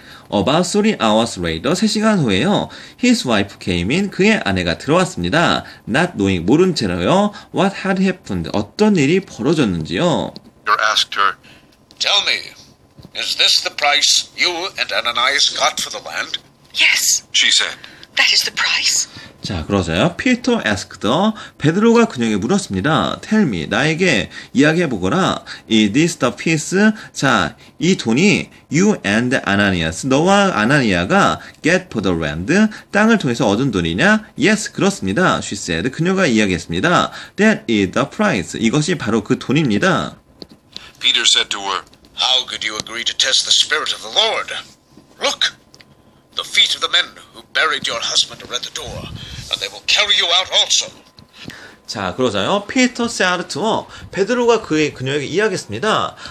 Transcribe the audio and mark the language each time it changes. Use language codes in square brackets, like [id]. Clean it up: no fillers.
[en] About 3 hours later, [ko] 3시간 후에요, [en] his wife came in, [ko] 그의 아내가 들어왔습니다. [en] Not knowing, [ko] 모른 채로요, [en] what had happened, [ko] 어떤 일이 벌어졌는지요. [en] You asked her, tell me. Is this the price you and Ananias got for the land? Yes, she said. That is the price. 자, [ko] 그러자요. [en] Peter asked her. [ko] 베드로가 그녀에게 물었습니다. [en] Tell me, [ko] 나에게 이야기해보거라. [en] Is this the piece? [ko] 자, 이 돈이 [en] you and Ananias, [ko] 너와 아나니아가 [en] get for the land, [ko] 땅을 통해서 얻은 돈이냐? [en] Yes, [ko] 그렇습니다. [en] She said, [ko] 그녀가 이야기했습니다. [en] That is the price. [ko] 이것이 바로 그 돈입니다. [en] Peter said to her, How could you agree to test the spirit of the Lord? Look, the feet of the men who buried your husband are at the door, and they will carry you out also. [ko] 자, 그러자요. [en] 피터 세아르트워 [ko] 베드로가 그녀에게 이야기했습니다.